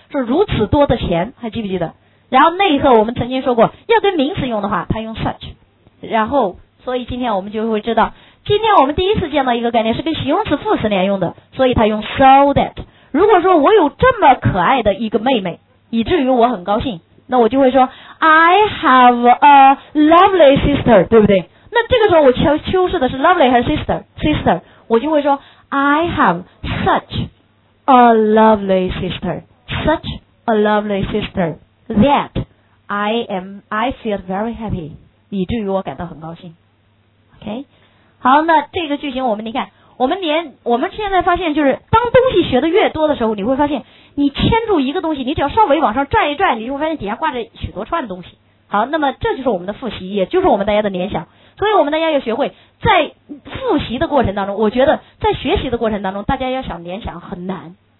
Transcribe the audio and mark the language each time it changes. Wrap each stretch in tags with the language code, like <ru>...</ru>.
<zh>说如此多的钱，还记不记得？然后那一刻我们曾经说过，要跟名词用的话它用 such， 然后所以今天我们就会知道，今天我们第一次见到一个概念是跟形容词副词连用的，所以它用 so that。如果说我有这么可爱的一个妹妹以至于我很高兴，那我就会说</zh> <en>I have a lovely sister，</en> <zh>对不对？那这个时候我修饰的是</zh> <en>lovely 还是 sister， 我就会说 I have such a lovely sister， such a lovely sisterThat I feel very happy，</en> <zh>以至于我感到很高兴。 OK， 好，那这个句型我们你看，我们现在发现就是，当东西学的越多的时候，你会发现，你牵住一个东西，你只要稍微往上拽一拽，你就会发现底下挂着许多串东西。好，那么这就是我们的复习，也就是我们大家的联想。所以我们大家要学会，在复习的过程当中，我觉得在学习的过程当中，大家要想联想很难。</zh>